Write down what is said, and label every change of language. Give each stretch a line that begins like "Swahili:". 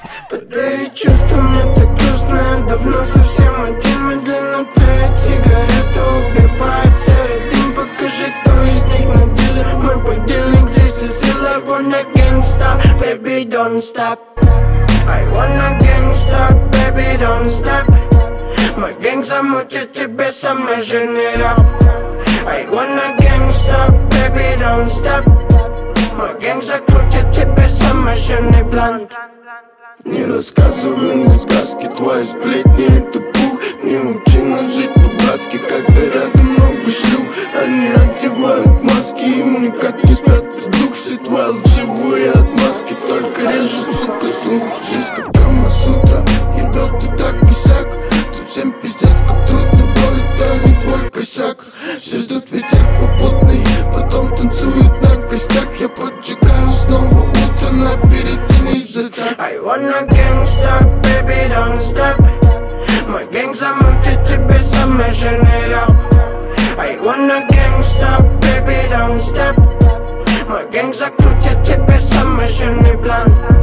Russian: Подари чувства мне так грустно, давно совсем один. Медленно твоя сигарета убивает серый дым. Покажи, кто из них на деле. Мой подельник здесь и сила.
English: I wanna gangsta, baby, don't stop. I wanna gangsta, baby, don't stop. My gang
Russian: замутит тебе самый жирный рэп.
English: I wanna gangsta, baby, don't stop. My gang
Russian: закрутит тебе самый жирный блант. Не рассказывай мне сказки, твои сплетни это пух. Не учи нам жить по-братски, когда рядом много шлюх. Они одевают маски, им никак не спрятать дух. Все твои лживые отмазки, только режут, сука, слух. Жизнь как Камасутра, ебёт ты так и сяк. Тут всем пиздец, как трудно будет, а не твой косяк. Все ждут ветер попутный, потом танцуют на костях. Я поджигаю снова утро на перед.
English: I wanna gangsta, baby, don't stop. My gang
Russian: замутит тебе самый жирный рэп.
English: I wanna gangsta, baby, don't stop. My gang
Russian: закрутит тебе самый жирный блант.